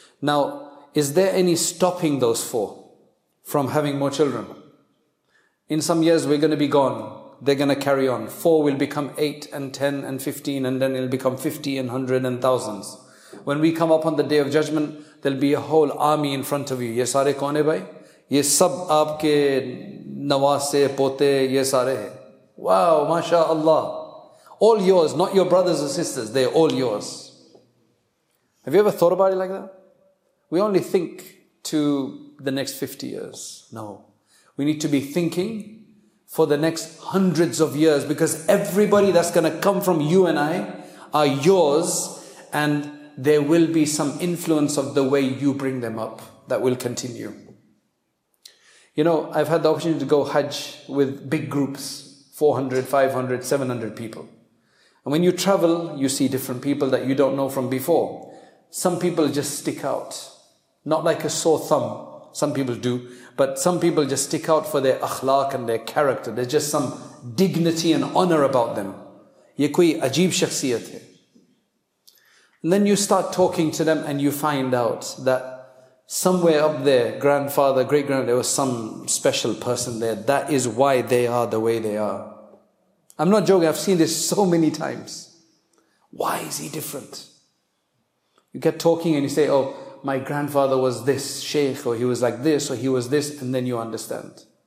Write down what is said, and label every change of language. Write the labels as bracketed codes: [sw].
[en] Now, is there any stopping those 4 from having more children? In some years, we're going to be gone. They're going to carry on. 4 will become 8 and 10 and 15, and then it'll become 50 and 100 and thousands. When we come up on the Day of Judgment, there'll be a whole army in front of you. [ur] یہ سارے کون ہے بھائی؟ یہ سب آپکے نواسے، پوتے، یہ سارے ہے۔ [en] Wow, mashallah. All yours, not your brothers or sisters. They're all yours. Have you ever thought about it like that? We only think to the next 50 years. No. We need to be thinking for the next hundreds of years, because everybody that's going to come from you and I are yours, and there will be some influence of the way you bring them up that will continue. You know, I've had the opportunity to go Hajj with big groups, 400, 500, 700 people. And when you travel, you see different people that you don't know from before. Some people just stick out. Not like a sore thumb, some people do, but some people just stick out for their akhlaq and their character. There's just some dignity and honor about them. [ur] یہ کوئی عجیب شخصیت ہے۔ [en] And then you start talking to them and you find out that somewhere up there, grandfather, great-grandfather, there was some special person there. That is why they are the way they are. I'm not joking, I've seen this so many times. Why is he different? You get talking and you say, oh, my grandfather was this sheikh, or he was like this, or he was this, and then you understand.